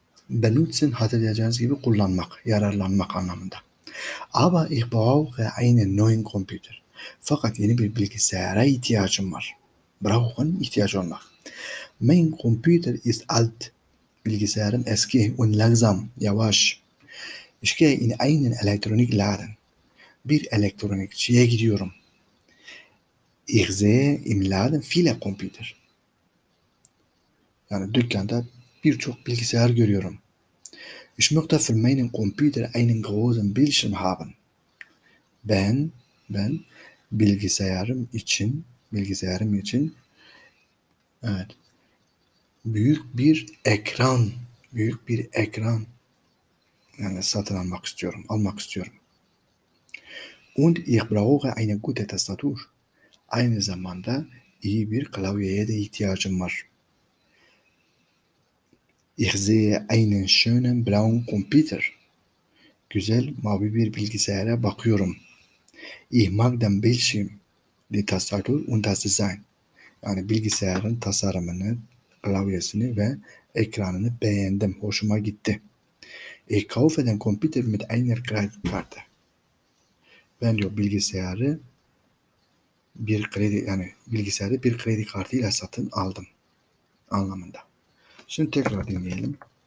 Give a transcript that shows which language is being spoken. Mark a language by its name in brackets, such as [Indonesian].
[Turkish] Benutzen hatırlayacağınız gibi kullanmak, yararlanmak anlamında. [German] Aber ich brauche einen neuen Computer. [Turkish] Fakat yeni bir bilgisayara ihtiyacım var. Brauchen ihtiyacı olmak. [German] Mein Computer ist alt. [Turkish] Bilgisayarım eski [German] und langsam, [Turkish] yavaş. [German] Ich gehe in einen Elektronikladen. [Turkish] Bir elektronikçiye gidiyorum. [German] Ich sehe im Laden viele Computer. [Turkish] Yani dükkanda birçok bilgisayar görüyorum. [German] Ich möchte für meinen Computer einen großen Bildschirm haben. [Turkish] Ben bilgisayarım için evet. Büyük bir ekran yani satın almak istiyorum, almak istiyorum. [German] Und ich brauche eine gute Tastatur. [Turkish] Aynı zamanda iyi bir klavyeye de ihtiyacım var. [German] Ich sehe einen schönen blauen Computer. [Turkish] Güzel mavi bir bilgisayara bakıyorum. [German] Ich mag den Bildschirm, die Tastatur und das Design. [Turkish] Yani bilgisayarın tasarımını, klavyesini ve ekranını beğendim, hoşuma gitti. [German] Ich kaufe den Computer mit einer Kreditkarte. [Turkish] Ben diyor bilgisayarı bir kredi, yani bilgisayarı bir kredi kartıyla satın aldım anlamında. Şimdi tekrar dinleyelim.